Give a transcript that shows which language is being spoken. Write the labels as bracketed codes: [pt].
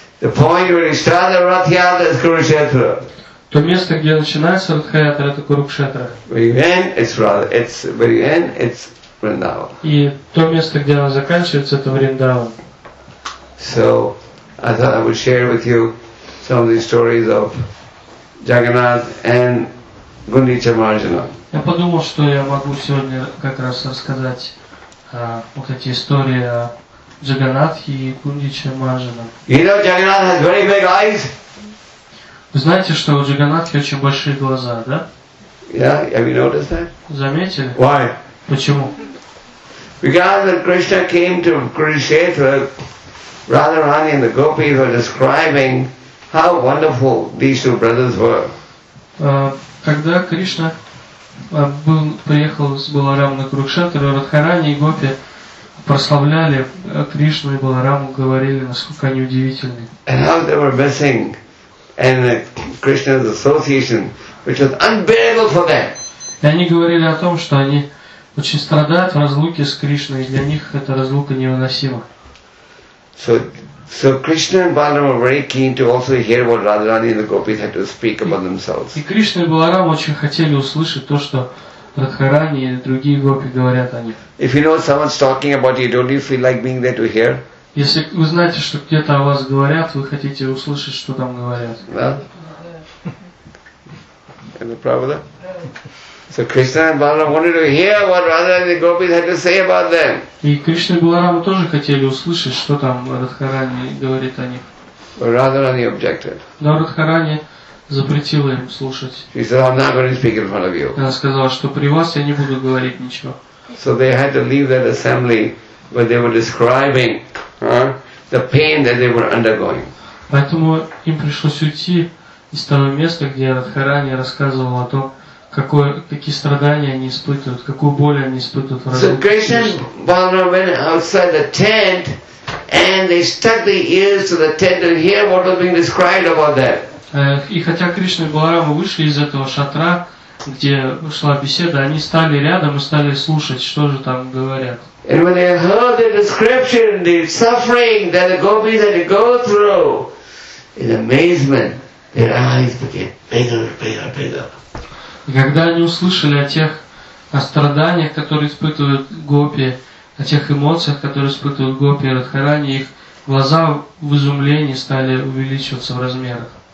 [en] The point where you start the Радхакатра is Курукшетра. [ru] То место, где начинается Радхакатра, это Курукшетра. [en] Where you end, it's Вриндаван. [ru] И то место, где она заканчивается, это Вриндаван. [en] So, I thought I would share with you some of the stories of Jagannath and Gundicha Marjana. [ru] Я подумал, что я могу сегодня как раз рассказать вот эти истории о Джаганнатхе и Гундиче Марджуна. [en] You know, Jagannath has very big eyes. [ru] Вы знаете, что у Джаганнатхи очень большие глаза, да? [en] Yeah, have you noticed that? [ru] Заметили? [en] Why? [ru] Почему? [en] Because when Krishna came to Kurukshetra, Radharani and the gopis were describing how wonderful these two brothers were. [ru] Когда Кришна приехал с Баларамом на Курукшетру, Радхарани и Гопи прославляли Кришну и Балараму, говорили, насколько они удивительны. [en] And how they were missing in Krishna's association, which was unbearable for them. [ru] И они говорили о том, что они очень страдают в разлуке с Кришной, и для них эта разлука невыносима. [en] So Krishna and Balaram were very keen to also hear what Radharani and the gopis had to speak about themselves. [ru] И Кришна и Баларам очень хотели услышать то, что Радхарани и другие гопи говорят о них. [en] If you know someone's talking about you, don't you feel like being there to hear? [ru] Если вы знаете, что где-то о вас говорят, вы хотите услышать, что там говорят. Да? Это правда? [en] So Krishna and Balaram wanted to hear what Radharani and the gopis had to say about them. [ru] И Кришна и Баларама тоже хотели услышать, что там Радхарани говорит о них. [en] But Radharani objected. [ru] Но Радхарани запретила им слушать. [en] She said, "I'm not going to speak in front of you." [ru] Она сказала, что при вас я не буду говорить ничего. [en] So they had to leave that assembly where they were describing the pain that they were undergoing. [ru] Поэтому им пришлось уйти из того места, где Радхарани рассказывала о том, какие страдания они испытывают, какую боль они испытывают в разлуке. [en] So Krishna and Balaram went outside the tent and they stuck their ears to the tent to hear what was being described about that. [ru] И хотя Кришна и Баларама вышли из этого шатра, где шла беседа, они стали рядом и стали слушать, что же там говорят. [en] And when they heard the description, the suffering that the gopis had to go through, in amazement, their eyes became bigger, bigger, bigger. [ru] И когда они услышали о страданиях, которые испытывают гопи, о тех эмоциях, которые испытывают гопи и Радхарани, их глаза в изумлении стали увеличиваться в размерах.